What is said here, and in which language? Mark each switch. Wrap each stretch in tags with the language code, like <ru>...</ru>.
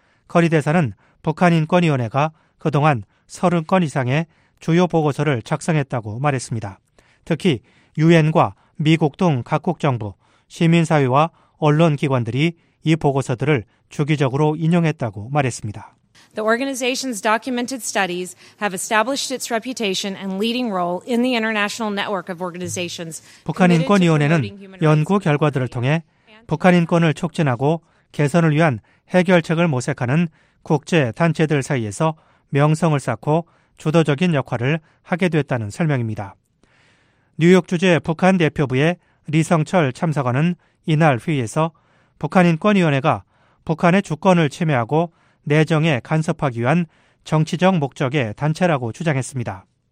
<ko>커리 대사는 북한인권위원회가 그동안 30건 이상의 주요 보고서를 작성했다고 말했습니다. 특히 UN과 미국 등 각국 정부, 시민사회와 언론기관들이 이 보고서들을 주기적으로 인용했다고 말했습니다.</ko> <en>The organization's documented studies have established its reputation and leading role in the international network of organizations.</en> <ko>북한인권위원회는 연구 결과들을 통해 북한인권을 촉진하고 개선을 위한 해결책을 모색하는 국제 단체들 사이에서 명성을 쌓고 주도적인 역할을 하게 됐다는 설명입니다. 뉴욕 주재 북한 대표부의 리성철 참사관은 이날 회의에서 북한인권위원회가 북한의 주권을 침해하고 내정에 간섭하기 위한 정치적 목적의 단체라고 주장했습니다.</ko>